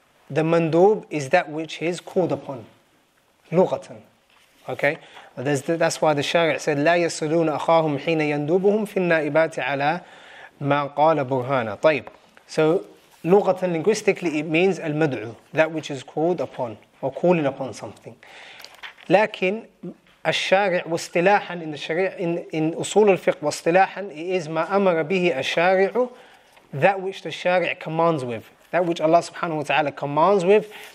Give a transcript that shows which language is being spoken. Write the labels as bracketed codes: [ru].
[en] The mandub is that which is called upon. [ar] لغة. Okay. [en] That's why the Shari' said [ar] لا يسألون أخاهم حين يندوبهم في النائبات على ما قال برهانا. طيب. [en] So لغة, linguistically it means المدعو, that which is called upon or calling upon something. [ar] لكن الشارع واصطلاحا [en] in the Shari' in أصول الفقه واصطلاحا it is [ar] ما أمر به الشارع, [en] that which the Shari' commands with, that which Allah subhanahu wa ta'ala commands with.